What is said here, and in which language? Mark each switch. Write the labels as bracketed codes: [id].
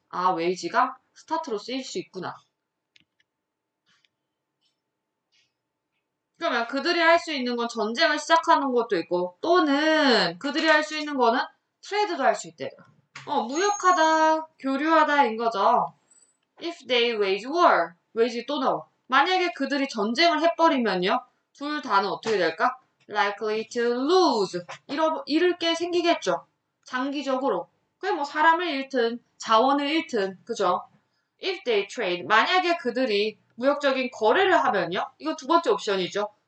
[ko] 아, 웨이지가 스타트로 쓰일 수 있구나. 그러면 그들이 할수 있는 건 전쟁을 시작하는 것도 있고, 또는 그들이 할수 있는 거는 트레이드도 할수 있대요. 무역하다, 교류하다인 거죠. [en] If they wage war, wage [ko] 또 나와. 만약에 그들이 전쟁을 해버리면요, 둘 다는 어떻게 될까? [en] Likely to lose. [ko] 잃을 게 생기겠죠. 장기적으로. 그게 뭐 사람을 잃든, 자원을 잃든, 그죠? [en] If they trade, [ko] 만약에 그들이 무역적인 거래를 하면요, 이거 두 번째 옵션이죠.